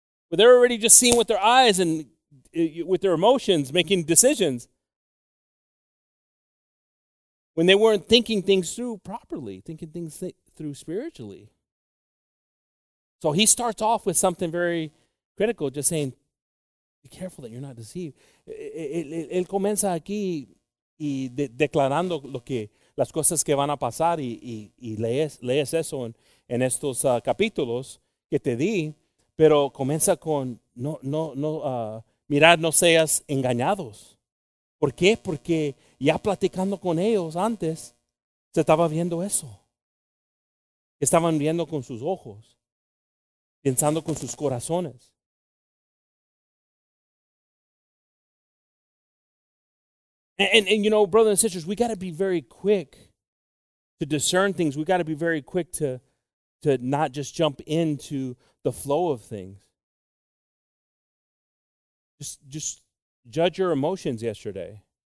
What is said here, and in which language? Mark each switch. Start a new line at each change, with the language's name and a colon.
English: Well, they're already just seeing with their eyes and with their emotions, making decisions. When they weren't thinking things through properly, thinking things through spiritually. So he starts off with something very critical, just saying, be careful that you're not deceived.
Spanish: Él comienza aquí y declarando lo que las cosas que van a pasar y lees eso en estos capítulos que te di, pero comienza con no seas engañados. ¿Por qué? Porque ya platicando con ellos antes se estaba viendo eso. Estaban viendo con sus ojos, pensando con sus corazones.
English: And you know, brothers and sisters, we got to be very quick to discern things. We got to be very quick to not just jump into the flow of things. Just judge your emotions yesterday.